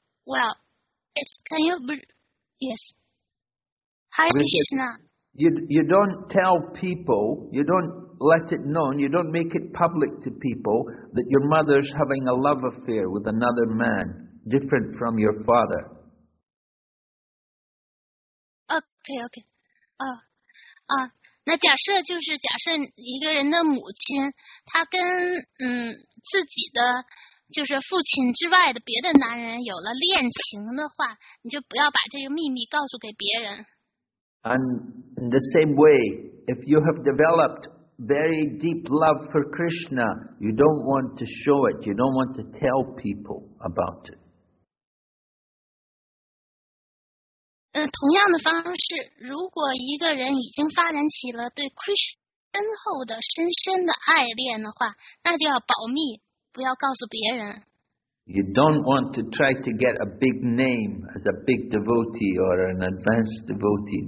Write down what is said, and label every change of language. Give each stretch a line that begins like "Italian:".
English: Well, yes. Can you? Yes. Hare Krishna. You don't tell people. You don't let it known. You don't make it public to people that your mother's having a love affair with another man, different from your father. Okay.
Chinese: 那假设就是假设一个人的母亲，她跟自己的就是父亲之外的别的男人有了恋情的话，你就不要把这个秘密告诉给别人。
English: And in the same way, if you have developed very deep love for Krishna, you don't want to show it. You don't want to tell people about it.
Chinese: 同样的方式，如果一个人已经发展起了对 Krishna 深厚的、深深的爱恋的话，那就要保密，不要告诉别人。
English: You don't want to try to get a big name as a big devotee or an advanced devotee.